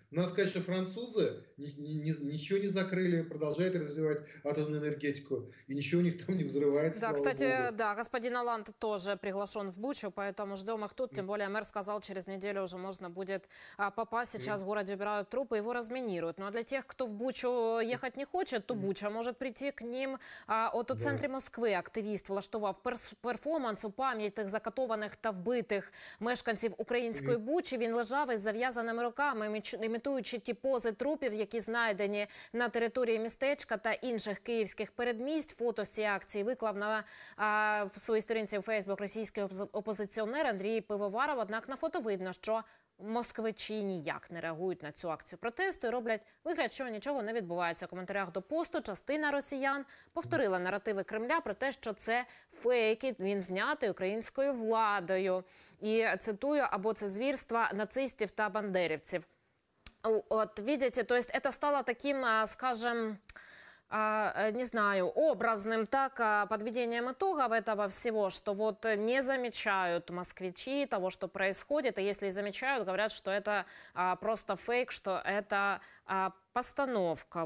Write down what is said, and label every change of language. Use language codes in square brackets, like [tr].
[ru] Надо сказать, что французы ничего не закрыли, продолжают развивать атомную энергетику, и ничего у них там не взрывается. Да, кстати, Богу. Да, господин Алант тоже приглашен в Бучу, поэтому ждем их тут. Тем более, мэр сказал, через неделю уже можно будет попасть. Сейчас в городе убирают трупы, его разминируют. Ну а для тех, кто в Бучу ехать не хочет, то Буча может прийти к ним. [uk] От у центрі Москви активіст влаштував перформанс у пам'ятих закатованих та вбитих мешканців української Бучі. Він лежав із зав'язаними руками, імітуючи ті пози трупів, які знайдені на території містечка та інших київських передмість. Фото з цієї акції виклав на своїй сторінці у Фейсбук російський опозиціонер Андрій Пивоваров. Однак на фото видно, що москвичі ніяк не реагують на цю акцію протесту і роблять вигляд, що нічого не відбувається. У коментарях до посту частина росіян повторила наративи Кремля про те, що це фейки, він знятий українською владою. І цитую, або це звірства нацистів та бандерівців. [ru] От, видите, то есть это стало таким, скажем, не знаю, образным так подведением итогов этого всего, что вот не замечают москвичи того, что происходит, и если замечают, говорят, что это просто фейк, что это постановка.